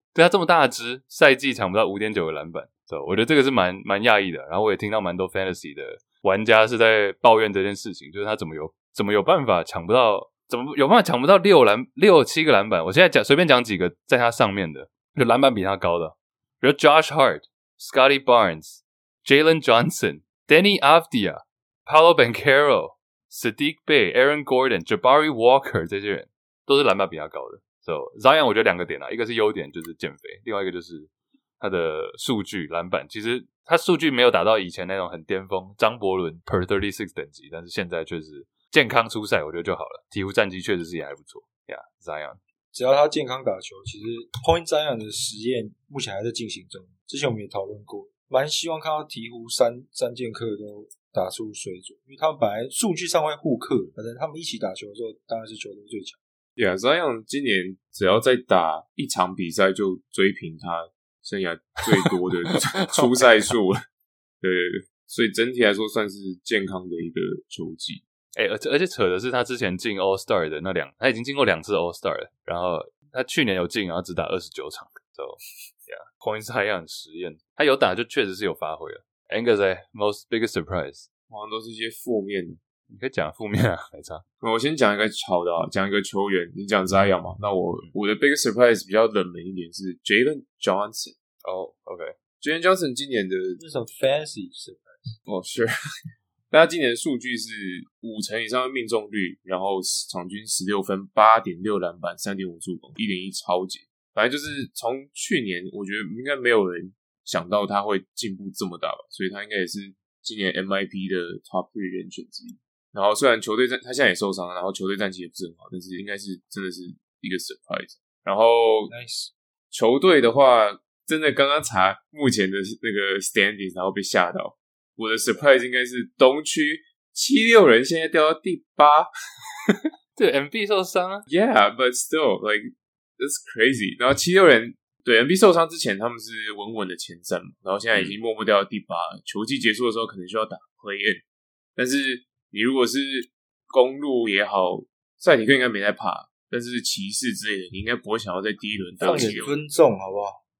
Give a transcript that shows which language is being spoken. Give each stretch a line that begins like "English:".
Chinese: 对，他这么大只赛季抢不到 5.9 个篮板。So, 我觉得这个是蛮讶异的。然后我也听到蛮多 fantasy 的玩家是在抱怨这件事情，就是他怎么有办法抢不到6-7个篮板。我现在讲随便讲几个在他上面的，就篮板比他高的。比如 Josh Hart, Scotty Barnes, Jalen Johnson, Danny Avdia, Paolo Banchero, Sadiq Bey, Aaron Gordon, Jabari Walker, 这些人都是篮板比他高的。 So, Zion 我觉得两个点啦、啊、一个是优点就是减肥，另外一个就是他的数据篮板，其实他数据没有达到以前那种很巅峰张伯伦 per 36 等级，但是现在确实健康出赛我觉得就好了，鹈鹕战绩确实是也还不错。
English: yeah, Zion。
Chinese: 只要他健康打球，其实 Point Zion 的实验目前还在进行中。之前我们也讨论过，蛮希望看到鹈鹕三剑客都打出水准，因为他们本来数据上会互克，反正他们一起打球的时候，当然是球队最强。 Yeah, Zion 今年只要再打一场比赛，就追平他生涯最多的出赛数了。对，所以整体来说算是健康的一个球技。欸，而且扯的是他之前进 All-Star 的那两，他已经进过两次 All-Star 了，然后他去年有进，然后只打29场。 So, yeah, Point Zion 实验。他有打就确实是有发挥了。
English: Angus, most biggest surprise.
Chinese: 好像都是一些负面的。你可以讲负面啊，没差。我先讲一个好的啊，讲一个球员，你讲 Zion 嘛。那我的
English: biggest surprise
Chinese: 比较冷门一点是 Jalen Johnson。
English: Oh, OK。
Chinese: Jalen Johnson 今年的。这是
English: fancy surprise. Oh, sure.
Chinese: 他今年的数据是五成以上的命中率，然后场均16分 ,8.6 篮板 ,3.5 助攻 ,1.1 超级。反正就是从去年我觉得应该没有人想到他会进步这么大吧，所以他应该也是今年 MIP 的 Top 3人选之一。然后虽然球队战他现在也受伤，然后球队战绩也不是很好，但是应该是真的是一个 surprise。然后、
English: nice.
Chinese: 球队的话真的刚刚查目前的那个 standings, 然后被吓到。我的 surprise 应该是东区76人现在掉到第八。对 ,MB 受伤啊。
English: Yeah, but still, like, that's crazy.
Chinese: 然后76人对 ,MB 受伤之前他们是稳稳的前三嘛，然后现在已经默默掉到第八、嗯、球季结束的时候可能需要打 play-in。但是你如果是公路也好，赛尼克应该没在怕，但是骑士之类的你应该不会想要在第一轮放点尊重好不好。